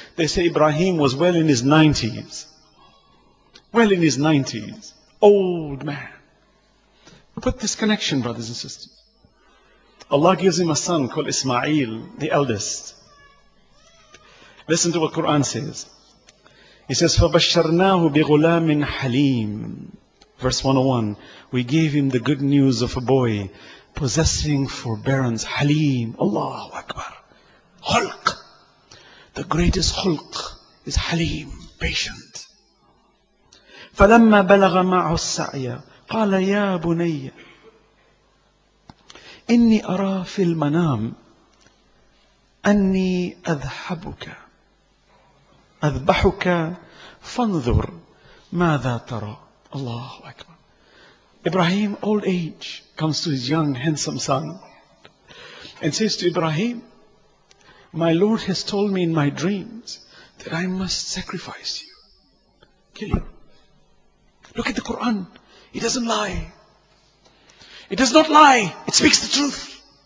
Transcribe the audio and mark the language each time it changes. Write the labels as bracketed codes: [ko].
[en] They say Ibrahim was well in his 90s. Well in his 90s. Old man. Put this connection, brothers and sisters. Allah gives him a son called Ismail, the eldest. Listen to what Quran says. He says, [ar] فَبَشَّرْنَاهُ بِغُلَامٍ حَلِيمٍ. [en] Verse 101, we gave him the good news of a boy possessing forbearance. Halim, Allahu Akbar. Khulq. The greatest khulq is halim, patient. [ar] فلما بلغ معه السعي قال يا بني إني أرى في المنام أني أذبحك أذبحك فانظر ماذا ترى. الله أكبر. [en] إبراهيم old age comes to his young handsome son and says to Ibrahim, my Lord has told me in my dreams that I must sacrifice you, kill you. Look at the Quran. It doesn't lie. It does not lie. It speaks the truth.